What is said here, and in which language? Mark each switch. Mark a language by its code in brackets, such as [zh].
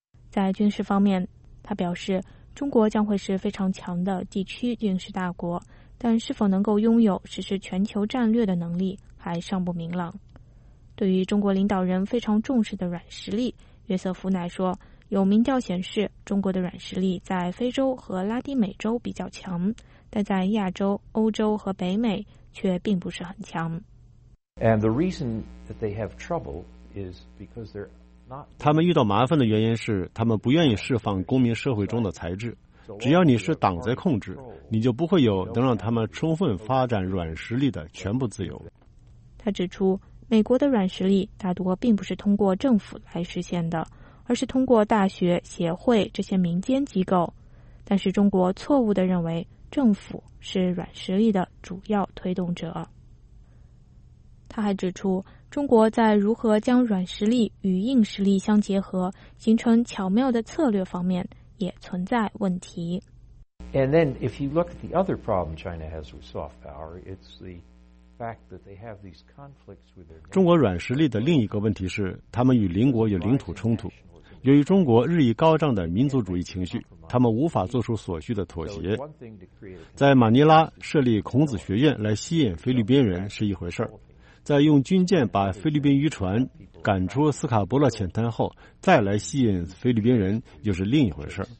[zh] 在军事方面，他表示中国将会是非常强的地区军事大国，但是否能够拥有实施全球战略的能力还尚不明朗。对于中国领导人非常重视的软实力，约瑟夫奈说，有民调显示中国的软实力在非洲和拉丁美洲比较强，但在亚洲、欧洲和北美却并不是很强。 [en] And the reason that they have trouble is because they're not. [zh] 他们遇到麻烦的原因是，他们不愿意释放公民社会中的才智。只要你是党在控制，你就不会有能让他们充分发展软实力的全部自由。他指出，美国的软实力大多并不是通过政府来实现的，而是通过大学、协会这些民间机构。但是中国错误地认为政府是软实力的主要推动者。他还指出，中国在如何将软实力与硬实力相结合，形成巧妙的策略方面也存在问题。 [en] And then, if you look at the other problem China has with soft power, it's the fact that they have these conflicts with their. [zh] 中国软实力的另一个问题是，他们与邻国有领土冲突，由于中国日益高涨的民族主义情绪，他们无法做出所需的妥协。在马尼拉设立孔子学院来吸引菲律宾人是一回事儿，在用军舰把菲律宾渔船赶出斯卡伯勒浅滩后再来吸引菲律宾人又是另一回事儿。